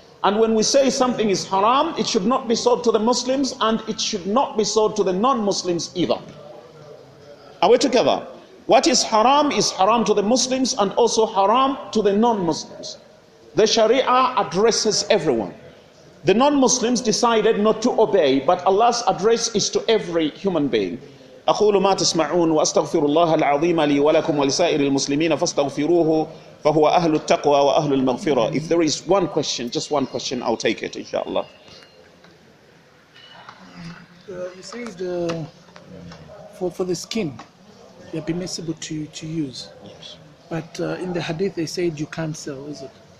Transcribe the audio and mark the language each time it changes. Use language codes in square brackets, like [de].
[en] And when we say something is haram, it should not be sold to the Muslims and it should not be sold to the non-Muslims either. Are we together? What is haram to the Muslims and also haram to the non-Muslims. The Sharia addresses everyone. The non-Muslims decided not to obey, but Allah's address is to every human being. [ar] أقول ما تسمعون وأستغفر الله العظيم لي ولكم ولسائر المسلمين فاستغفروه فهو أهل التقوى وأهل المغفرة. [en] If there is one question, just one question, I'll take it, inshallah. You said for the skin, they're permissible to use. Yes. But in the hadith, they said you can't sell, is it?